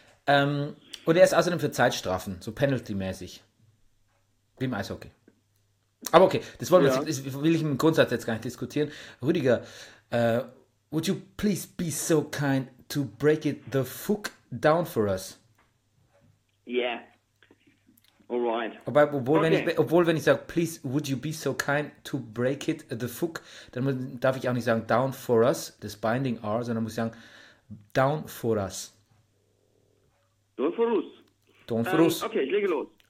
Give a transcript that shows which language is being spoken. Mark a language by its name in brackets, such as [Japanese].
[German] Und er ist außerdem für Zeitstrafen, so Penalty-mäßig. Wie im Eishockey. Aber okay, das wollen wir Ja. jetzt, das will ich im Grundsatz jetzt gar nicht diskutieren. [English] Rüdiger, would you please be so kind to break it the fuck down for us? Yeah. Alright. [German] Obwohl, [English] Okay. [German] wenn ich sage, [English] please, would you be so kind to break it the fuck, [German] dann darf ich auch nicht sagen, [English] down for us, [German] das binding R, sondern muss ich sagen, down for us. [English] Don't for us. Down for us. [German] Okay, ich lege los.